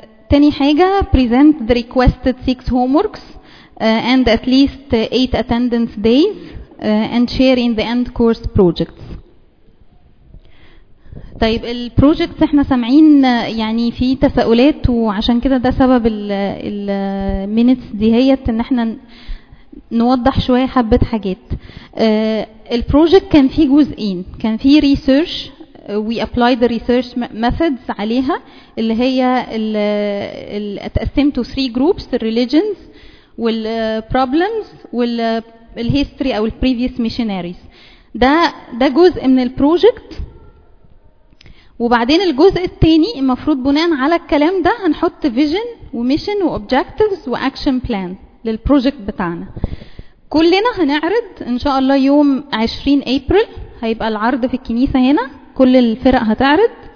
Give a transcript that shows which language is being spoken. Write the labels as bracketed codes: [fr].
[ar] تاني حاجة، [en] present the requested 6 homeworks and at least 8 attendance days and share in the end course projects. [ar] طيب ال projects احنا سامعين يعني في تساؤلات، وعشان كده ده سبب ال minutes دي هيت ان احنا نوضح شوية حبة حاجات. ال project كان فيه جزئين، كان فيه research، [en] we apply the research methods [ar] عليها اللي هي ال اتقسم [en] to 3 groups: the religions [ar] وال problems وال history او ال previous missionaries. ده جزء من ال project. وبعدين الجزء الثاني المفروض بناء على الكلام ده هنحط vision و mission و objectives و action plan لل project بتاعنا. كلنا هنعرض ان شاء الله يوم 20 ابريل، هيبقى العرض في الكنيسة هنا، كل الفرق هتعرض.